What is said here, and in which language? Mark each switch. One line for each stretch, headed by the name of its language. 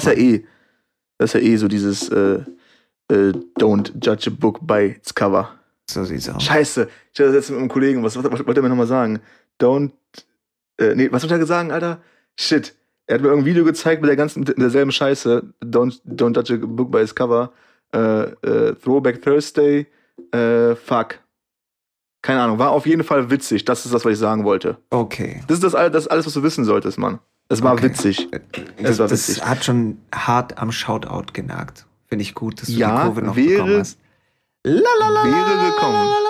German: Das ist ja eh. Das ist ja eh so dieses
English: don't judge a book by its cover.
German: So sieht's aus. Scheiße, ich hatte das jetzt mit einem Kollegen. Was wollte er mir nochmal sagen? Was wollte er sagen, Alter? Shit, er hat mir irgendein Video gezeigt mit derselben Scheiße.
English: Don't judge a book by its cover. Throwback Thursday. Fuck.
German: Keine Ahnung, war auf jeden Fall witzig. Das ist das, was ich sagen wollte. Okay. Das ist das alles, was du wissen solltest, Mann. Es war witzig. Das hat schon hart am Shoutout genagt. Finde ich gut, dass du ja, die Kurve noch bekommen hast. Wäre gekommen.